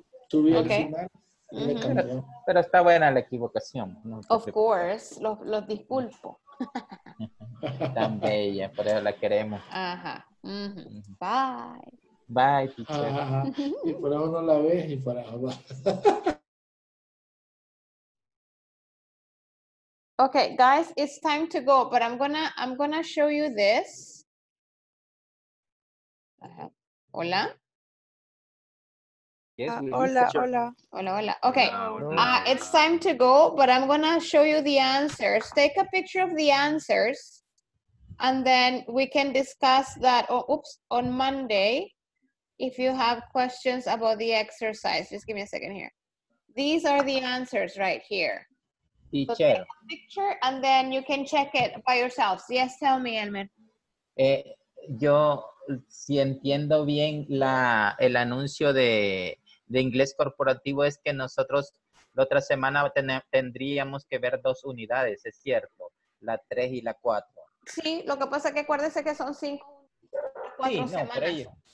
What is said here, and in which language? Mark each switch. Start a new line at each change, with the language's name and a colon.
Spanish: Pero está buena la equivocación.
English: No, of course,
Spanish: los disculpo. Tan bella, por eso la queremos. Ajá. Mm-hmm. Uh-huh.
English: Bye. Bye, teacher. Ajá,
Spanish: ajá. Y por eso no la ves y por eso va.
English: Okay, guys, it's time to go, but I'm gonna show you this.
Spanish: Hola.
English: Yes,
Spanish: hola.
English: Okay, it's time to go, but I'm gonna show you the answers. Take a picture of the answers, and then we can discuss that. On Monday, if you have questions about the exercise, just give me a second here. These are the answers right here. Teacher. So take a picture, and then you can check it by yourselves. Yes, tell me, Elmer.
Spanish: Yo si entiendo bien el anuncio de inglés corporativo es que nosotros la otra semana tendríamos que ver dos unidades, es cierto, la 3 y la 4. Sí, lo que pasa es que acuérdese que son 5 4 semanas.